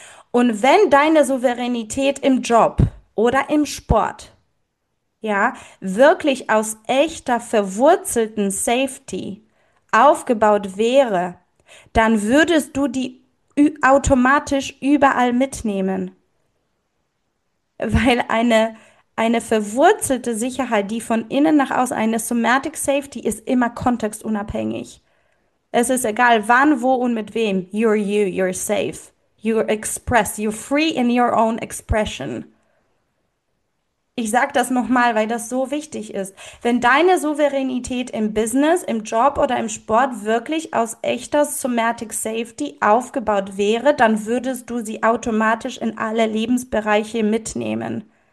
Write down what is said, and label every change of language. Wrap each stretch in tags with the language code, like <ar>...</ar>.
<de>Und wenn deine Souveränität im Job oder im Sport, ja, wirklich aus echter verwurzelten Safety aufgebaut wäre, dann würdest du die automatisch überall mitnehmen. Weil eine verwurzelte Sicherheit, die von innen nach außen, eine Somatic Safety, ist immer kontextunabhängig. Es ist egal, wann, wo und mit wem.</de> <en>You're you, you're safe. You're expressed. You're free in your own expression.</en> <de>Ich sag das nochmal, weil das so wichtig ist. Wenn deine Souveränität im Business, im Job oder im Sport wirklich aus echter Somatic Safety aufgebaut wäre, dann würdest du sie automatisch in alle Lebensbereiche mitnehmen.</de>